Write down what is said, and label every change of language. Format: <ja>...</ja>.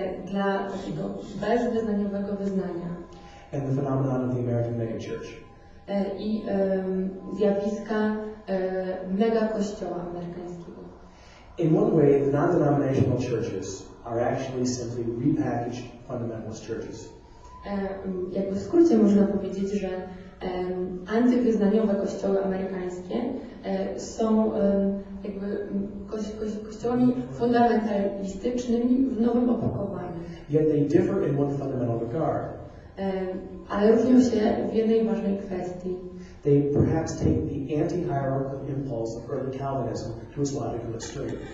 <pl>dla takiego bezwyznaniowego wyznania</pl> <en>and the phenomenon of the American megachurch</en> <pl>i zjawiska mega kościoła amerykańskiego.</pl> <en>In one way, the non-denominational churches are actually simply repackaged fundamentalist churches.</en> <pl>Jakby w skrócie można powiedzieć, że antywyznaniowe kościoły amerykańskie są jakby kościołami fundamentalistycznymi w nowym opakowaniu.</pl> <en>Yet they differ in one fundamental regard.</en> <pl>Ale różnią się w jednej ważnej kwestii.</pl> <en>They perhaps take the anti-hierarchical impulse of early Calvinism to its logical extreme.</en>